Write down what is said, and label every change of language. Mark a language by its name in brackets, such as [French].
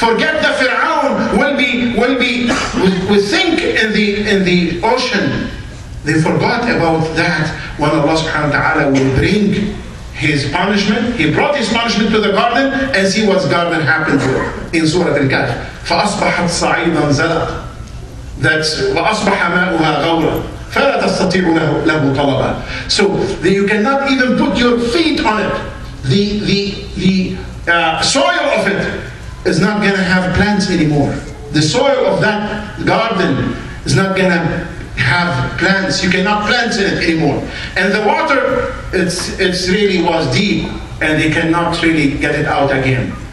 [English] Forget the Fir'aun will be. We think in the ocean. They forgot about that when Allah subhanahu wa ta'ala will bring his punishment. He brought his punishment to the garden and see what garden happened to in Surah Al-Kahf. [Arabic] فَأَصْبَحَتْ صَعِيدًا زَلَقًا. [English] That's [Arabic] وَأَصْبَحَ مَاؤُهَا غَوْرًا فَلَا تَسْتَطِيعُ لَهُ طَلَبًا. [English] So that you cannot even put your feet on it. The soil of it is not gonna have plants anymore. The soil of that garden is not gonna have plants. You cannot plant in it anymore. And the water, it's really was deep, and they cannot really get it out again.